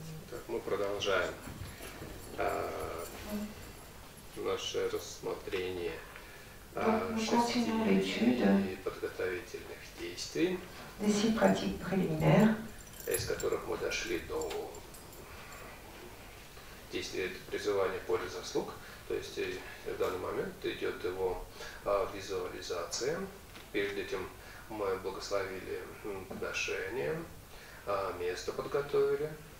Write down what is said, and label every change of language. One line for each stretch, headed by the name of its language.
Russian: Так, мы продолжаем наше рассмотрение шести подготовительных действий,
French: des six pratiques préliminaires,
Russian: из которых мы дошли до действия призывания поля заслуг. То есть в данный момент идет его визуализация. Перед этим мы благословили подношение, место подготовили.